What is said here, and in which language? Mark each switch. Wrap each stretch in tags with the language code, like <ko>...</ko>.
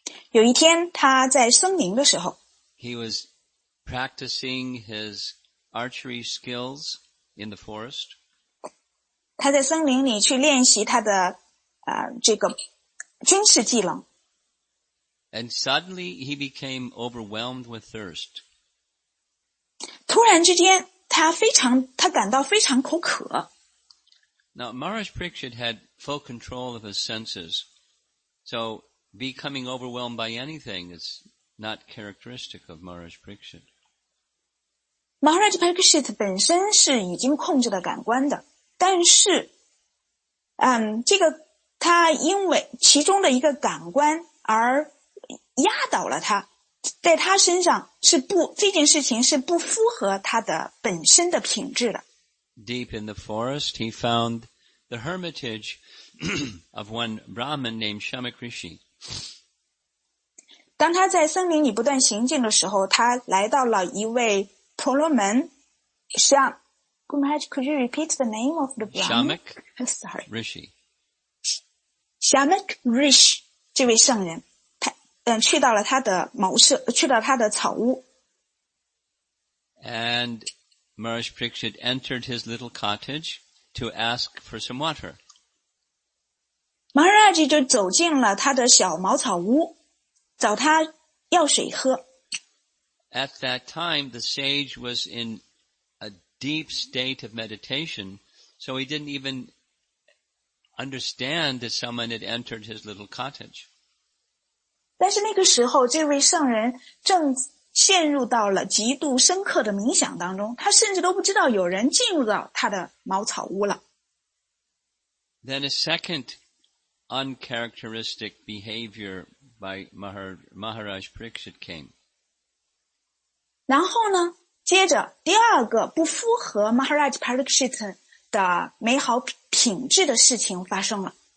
<zh>有一天他在森林的时候，</zh> <en>he was practicing his archery skills in the forest.</en> <zh>他在森林里去练习他的这个军事技能。</zh> <en>And suddenly he became overwhelmed with thirst.</en> <zh>突然之间他感到非常口渴。</zh> <en>Now, Maharaj Pariksit had full control of his senses. So, becoming overwhelmed by anything is not characteristic of Maharaj Pariksit.</en> <zh>Maharaj Pariksit 本身是已经控制了感官的。但是这个他因为其中的一个感官而压倒了他。在他身上是不这件事情是不符合他的本身的品质的。</zh> <en>Deep in the forest, he found the hermitage of one Brahmin named Shamakrishi.</en> <zh>当他在森林里不断行进的时候，他来到了一位婆罗门。</zh> <en>Shamakrishi, could you repeat the name of the Brahmin? Shamakrishi.</en> <zh>Shamakrishi, 这位圣人，去到了他的茅舍，去到他的草屋。</zh> <en>And Maharaj Pariksit entered his little cottage to ask for some water.</en> <zh>Maharaj 就走进了他的小茅草屋，找他要水喝。</zh> <en>At that time, the sage was in a deep state of meditation, so he didn't even understand that someone had entered his little cottage.</en> <zh>但是那个时候，这位圣人正陷入到了极度深刻的冥想当中，他甚至都不知道有人进入到他的茅草屋了。</zh> <en>Then a second uncharacteristic behavior by Maharaj Pariksit came.</en> <zh>然后呢，接着第二个不符合 Maharaj Pariksit 的美好品质的事情发生了。</zh>